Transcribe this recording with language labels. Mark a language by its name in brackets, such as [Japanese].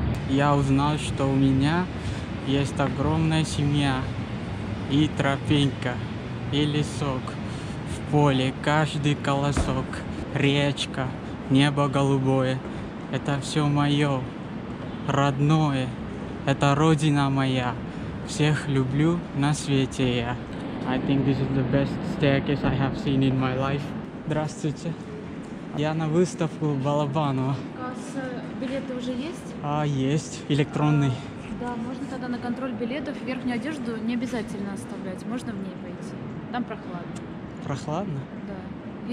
[Russian] Я узнал, что у меня есть огромная семья и тропинка, и лесок, в поле каждый колосок, речка, небо голубое, это все мое, родное, это родина моя, всех люблю на свете я. [English] I think this is the best staircase I have seen in my life. [Russian] Здравствуйте, я на выставку Балабанова. Билеты уже есть? А, есть. Электронный. Да, можно тогда на контроль билетов. Верхнюю одежду не обязательно оставлять. Можно в ней пойти. Там прохладно. Прохладно? Да.